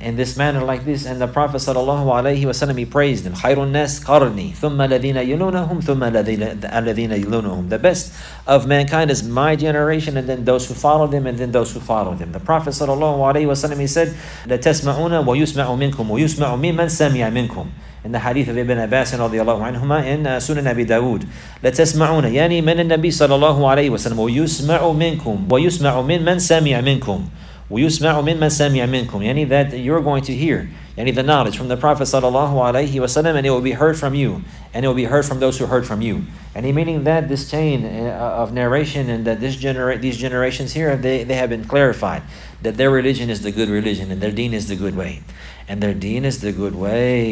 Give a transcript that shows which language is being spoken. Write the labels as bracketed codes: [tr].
[en] In this manner, like this, and the Prophet sallallahu alayhi wa sallam, he praised him, [ar] خَيْرٌ نَاسْ قَرْنِي ثُمَّ الَّذِينَ يُلُونَهُمْ ثُمَّ الَّذِينَ يُلُونَهُمْ. [en] The best of mankind is my generation, and then those who follow them, and then those who follow them. The Prophet sallallahu alayhi wa sallam, he said, [ar] لَتَسْمَعُونَ وَيُسْمَعُ مِنْكُمْ وَيُسْمَعُ مِنْ مَنْ سَمِعَ مِنْكُمْ. [en] in the hadith of Ibn Abbas and radiallahu anhuma in Sunan Abi Dawood. [ar] لَتَسْمَعُونَ يَنِي مَنَ النَّبِي صَلَى اللَّهُ عَلَيْهِ وَسَلَّمُ وَيُسْمَعُ مِنْكُمْ وَيُسْمَعُ مِنْ مَنْ سَمِعَ مِنْكُمْ وَيُسْمَعُ مِنْ مَنْ سَمِعَ مِنْكُمْ يَنِي [en] that you're going to hear. Any the knowledge from the Prophet sallallahu alaihi wasallam, and it will be heard from you, and it will be heard from those who heard from you. And he meaning that this chain of narration and that these generations here, they have been clarified that their religion is the good religion and their deen is the good way, and their deen is the good way.